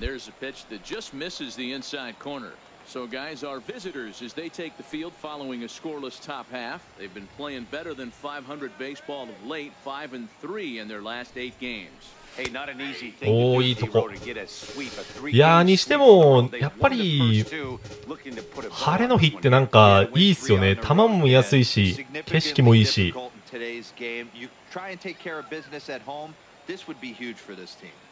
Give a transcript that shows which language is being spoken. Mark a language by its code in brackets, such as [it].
[en] So guys, our visitors, as they take the field following a scoreless top half, they've been playing better than 500 baseball of late, 5-3 in their last 8 games. Hey, not an easy thing to do to get a sweep. [ja] いやにしてもやっぱり晴れの日ってなんかいいっすよね。球も見やすいし、景色もいいし。 [en] Today's game, you try and take care of business at home. This would be huge for this team.